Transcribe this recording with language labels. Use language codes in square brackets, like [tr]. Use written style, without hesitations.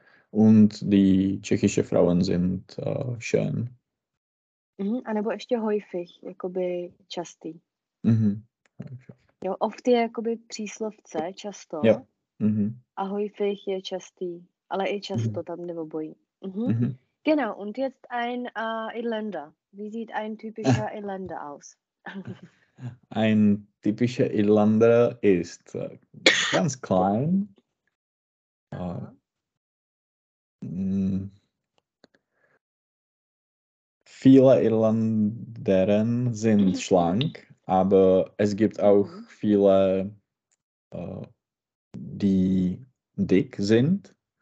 [de] Und die tschechische Frauen sind schön. [cs] A nebo ještě häufig, jakoby častý. Jo, oft je jakoby příslovce, často. Jo. A häufig je častý, ale i často tam nebo bojí. [de] Genau, und jetzt ein Irländer. Wie sieht ein typischer Irländer aus? Ein typischer Irländer ist ganz klein. Viele Irlanderen sind schlank, aber es gibt auch viele, die dick sind.